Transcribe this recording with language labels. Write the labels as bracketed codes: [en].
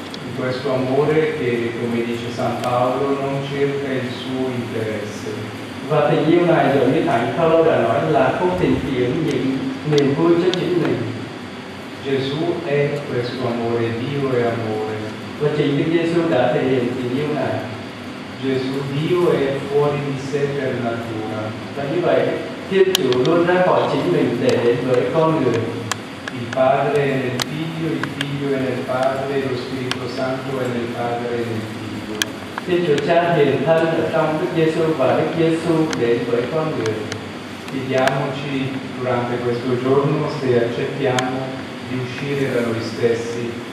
[it] In questo amore che, come dice San Paolo, non cerca il suo interesse. [vi] Và tình yêu này giống như Thánh Paolo đã nói là không tìm kiếm những niềm vui cho chính mình. [it] Gesù è questo amore, Dio è amore. [vi] Và chính Đức Giêsu đã thể hiện tình yêu này. [it] Gesù Dio è fuori di sé per natura. [vi] Và như vậy, Thiên Chúa luôn ra khỏi chính mình để đến với con người. [it] Il Padre è nel Figlio, il Figlio è nel Padre, lo Spirito Santo è nel Padre e nel Figlio. [vi] Thiên Chúa Cha hiện thân ở trong Đức Giêsu và Đức Giêsu đến với con người. [it] Chiediamoci durante questo giorno se accettiamo di uscire da noi stessi.